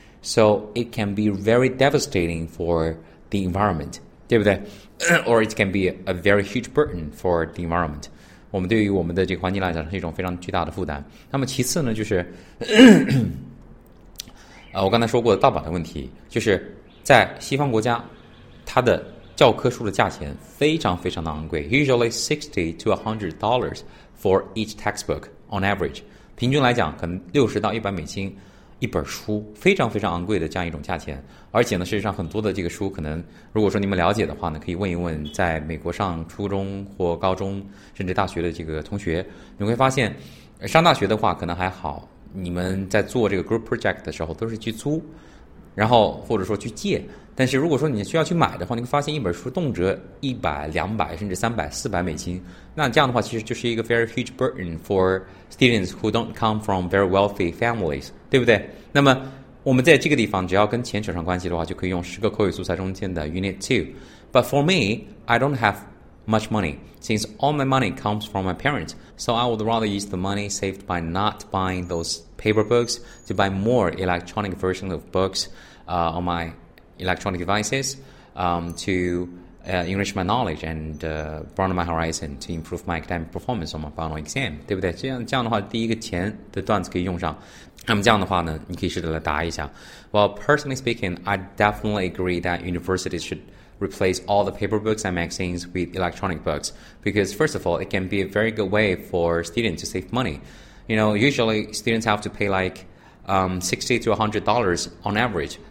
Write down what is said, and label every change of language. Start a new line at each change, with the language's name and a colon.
English: So it can be very devastating for the environment,
Chinese: 对不对？
English: Or it can be a very huge burden for the environment.
Chinese: 我们对于我们的这个环境来讲是一种非常巨大的负担。那么其次呢，就是我刚才说过的盗版的问题，就是在西方国家它的教科书的价钱非常非常的昂贵，
English: usually $60 to $100 for each textbook. On average,
Chinese: 平均来讲可能$60 to $100一本书，非常非常昂贵的这样一种价钱。而且呢事实上很多的这个书，可能如果说你们了解的话呢，可以问一问在美国上初中或高中甚至大学的这个同学，你会发现上大学的话可能还好，你们在做这个 group project 的时候都是去租，然后或者说去借，但是如果说你需要去买的话，你会发现一本书动辄$100, $200, $300, $400，那这样的话其实就是一个
English: very huge burden for students who don't come from very wealthy families,
Chinese: 对不对？那么我们在这个地方只要跟钱扯上关系的话，就可以用十个口语素材中间的 unit 2。
English: But for me, I don't have much money, since all my money comes from my parents, so I would rather use the money saved by not buying those paper books to buy more electronic versions of books on myElectronic devices to enrich my knowledge and broaden my horizon to improve my academic performance on my final exam,
Chinese: 对不对？这样的话，第一个钱的段子可以用上。那么这样的话呢，你可以试着来答一下。
English: Well, personally speaking, I definitely agree that universities should replace all the paper books and magazines with electronic books because, first of all, it can be a very good way for students to save money. You know, usually students have to pay like $60 to $100 on average.